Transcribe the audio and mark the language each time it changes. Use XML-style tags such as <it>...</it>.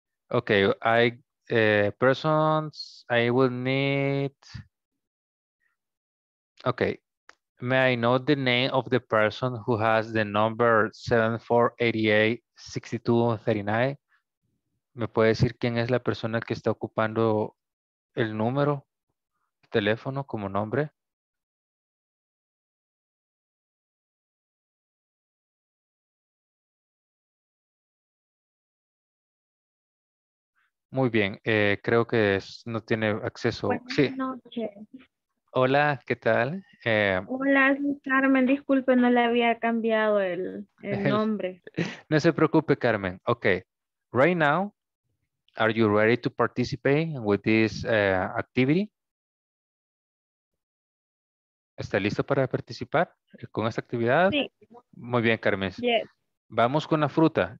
<en>Okay, I will need. Okay, may I know the name of the person who has the number 7488-6239?</en> <es>¿Me puede decir quién es la persona que está ocupando el número, el teléfono como nombre? Muy bien, creo que no tiene acceso. Buenas sí. Noches. Hola, ¿qué tal? Hola, Carmen, disculpe, no le había cambiado el nombre. No se preocupe, Carmen.</es> <en>Okay, right now, are you ready to participate with this activity?</en> <es>¿Está listo para participar con esta actividad? Sí. Muy bien, Carmen.</es> <en>Yes.</en> <es>Vamos con la fruta.</es>